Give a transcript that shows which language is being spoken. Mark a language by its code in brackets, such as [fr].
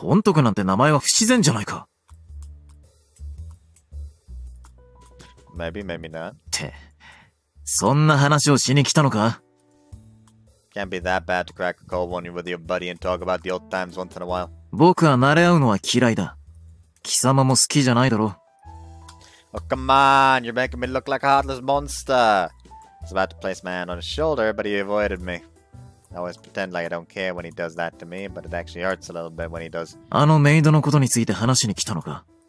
[ja] 難しい読み方だとは思うが、孫徳なんて名前は不自然じゃないか! [en] Maybe, maybe not. [ja] て... そんな話をしに来たのか? [en] Can't be that bad to crack a cold one with your buddy and talk about the old times once in a while. [ja] 僕は慣れ合うのは嫌いだ。貴様も好きじゃないだろ? [en] Oh, come on! You're making me look like a heartless monster! I was about to place my hand on his shoulder, but he avoided me. I always pretend like I don't care when he does that to me, but it actually hurts a little bit when he does. [ja] あのメイドのことについて話しに来たのか?